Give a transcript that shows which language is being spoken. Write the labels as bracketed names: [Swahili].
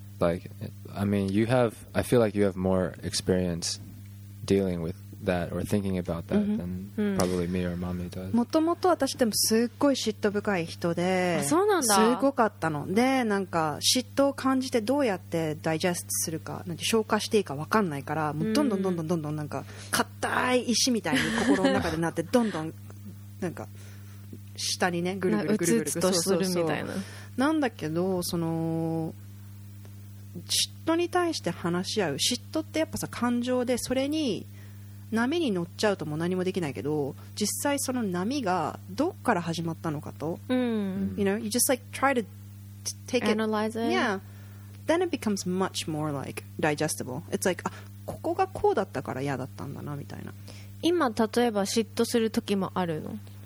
[English] Like, I mean, I feel like you have more experience dealing with that or thinking about that than probably me or mommy does. [Japanese] もともと私でもすっごい嫉妬深い人で、そうなんだ。すごかったの。で、なんか嫉妬を感じてどうやってダイジェストするか、なんて消化していいか分かんないから、もうどんどんどんどんどんどんなんか硬い石みたいに心の中でなって、どんどんなんか下にね、ぐるぐるぐるぐるぐるぐるするみたいな。なんだけど、その嫉妬に対して話し合う、嫉妬ってやっぱさ感情で、それに波に乗っちゃうともう何もできないけど、実際その波がどっから始まったのかと、 [English] you know, you just like try to take it, analyze it, yeah, then it becomes much more like digestible. It's like, [Japanese] あ、ここがこうだったから嫌だったんだなみたいな。今例えば嫉妬する時もあるの？